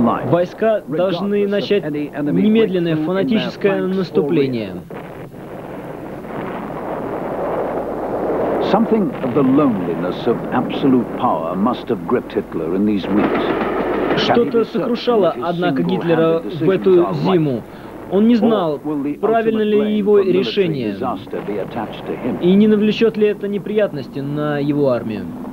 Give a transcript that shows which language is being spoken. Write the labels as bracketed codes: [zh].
[ru] Войска должны начать немедленное фанатическое наступление. [en] Something of the loneliness of absolute power must have gripped Hitler in these weeks. [ru] Что-то сокрушало, однако, Гитлера в эту зиму. Он не знал, правильно ли его решение, и не навлечет ли это неприятности на его армию.